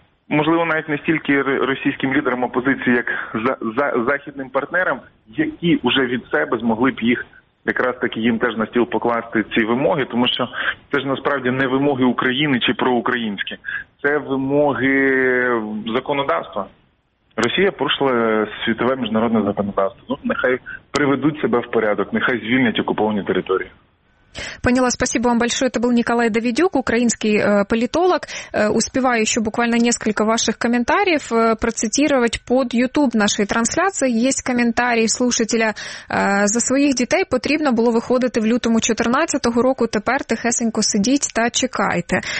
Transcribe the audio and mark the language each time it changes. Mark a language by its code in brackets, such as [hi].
[uk] Можливо, навіть не стільки російським лідерам опозиції, як західним партнерам, які вже від себе змогли б їх якраз таки їм теж на стіл покласти ці вимоги, тому що це ж насправді не вимоги України чи проукраїнські, це вимоги законодавства. Росія порушила світове міжнародне законодавство. Ну, нехай приведуть себе в порядок, нехай звільнять окуповані території. [ru] Поняла, спасибо вам большое. Это был Николай Давидюк, украинский политолог. Успеваю еще буквально несколько ваших комментариев процитировать под YouTube нашей трансляции. Есть комментарий слушателя: за своих детей [uk] потрібно було виходити в лютому 2014 року, тепер тихесенько сидіть та чекайте.